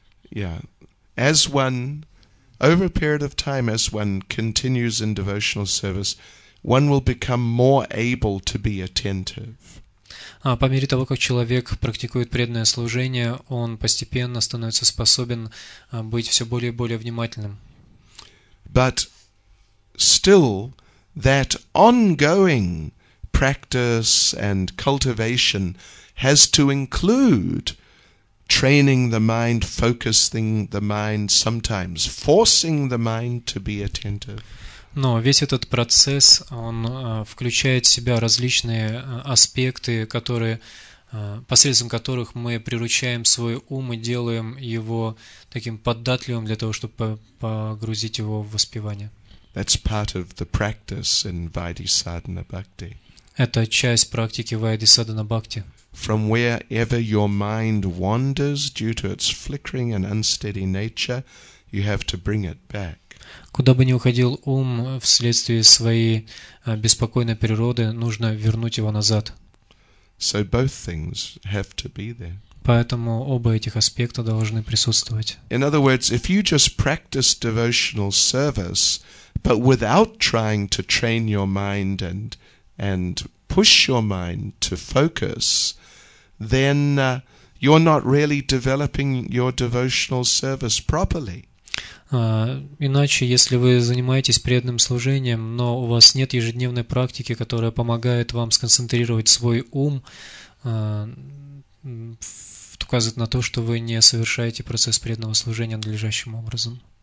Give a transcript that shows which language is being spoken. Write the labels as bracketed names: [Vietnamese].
[English] Yeah. As one, over a period of time, as one continues in devotional service, one will become more able to be attentive. [Russian] А по мере того, как человек практикует преданное служение, он постепенно становится способен быть все более и более внимательным. [English] But still, that ongoing practice and cultivation has to include training the mind, focusing the mind, sometimes forcing the mind to be attentive. [Russian] Но весь этот процесс, он включает в себя различные аспекты, которые, посредством которых мы приручаем свой ум и делаем его таким податливым для того, чтобы погрузить его в воспевание. [English] That's part of the practice in Vaidhisadhana Bhakti. [Russian] Это часть практики Вайдисадхана Бхакти. [English] From wherever your mind wanders due to its flickering and unsteady nature, you have to bring it back. [Russian] Куда бы ни уходил ум вследствие своей беспокойной природы, нужно вернуть его назад. [English] So both things have to be there. [Russian] Поэтому оба этих аспекта должны присутствовать. [English] In other words, if you just practice devotional service, but without trying to train your mind and push your mind to focus, then you're not really developing your devotional service properly. [Russian] Иначе, если вы занимаетесь преданным служением, но у вас нет ежедневной практики, которая помогает вам сконцентрировать свой ум, указывает на то, что вы не совершаете процесс преданного служения надлежащим образом.